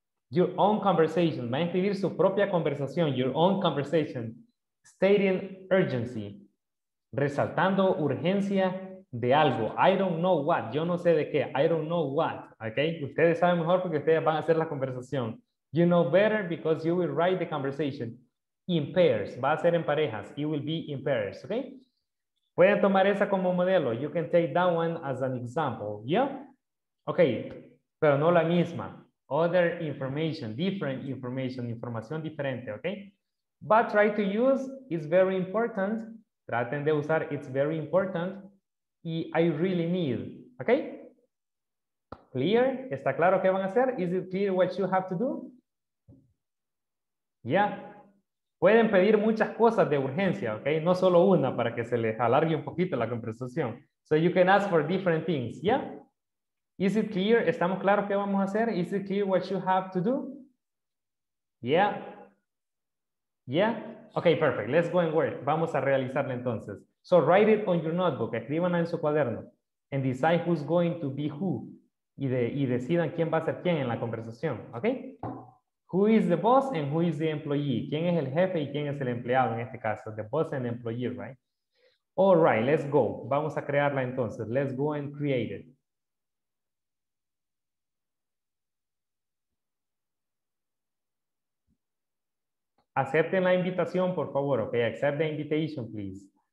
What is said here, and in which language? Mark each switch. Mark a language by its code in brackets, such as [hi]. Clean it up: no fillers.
[en] Your own conversation. [es] Va a escribir su propia conversación, [en] your own conversation. Stating urgency, [es] resaltando urgencia de algo. [en] I don't know what, [es] yo no sé de qué. [en] I don't know what, okay? [es] Ustedes saben mejor porque ustedes van a hacer la conversación. [en] You know better because you will write the conversation in pairs. [es] Va a ser en parejas. [en] It will be in pairs, okay? [es] Pueden tomar esa como modelo. [en] You can take that one as an example, yeah? Okay, [es] pero no la misma. [en] Other information, different information, [es] información diferente, [en] okay? But try to use, it's very important. [es] Traten de usar, [en] it's very important. Y I really need, okay? Clear? [es] ¿Está claro qué van a hacer? [en] Is it clear what you have to do? [es] Yeah. Pueden pedir muchas cosas de urgencia, okay? No solo una, para que se les alargue un poquito la conversación. [en] So you can ask for different things, yeah? Is it clear? [es] ¿Estamos claros qué vamos a hacer? [en] Is it clear what you have to do? Yeah. Yeah, Okay, perfect. Let's go and work. [es] Vamos a realizarla entonces. [en] So write it on your notebook. [es] Escríbanla en su cuaderno. [en] And decide who's going to be who. [es] Y decidan quién va a ser quién en la conversación. [en] Okay? Who is the boss and who is the employee? [es] ¿Quién es el jefe y quién es el empleado en este caso? [en] The boss and employee, right? All right, let's go. [es] Vamos a crearla entonces. [en] Let's go and create it. [es] Acepten la invitación, por favor. [en] Okay, accept the invitation, please.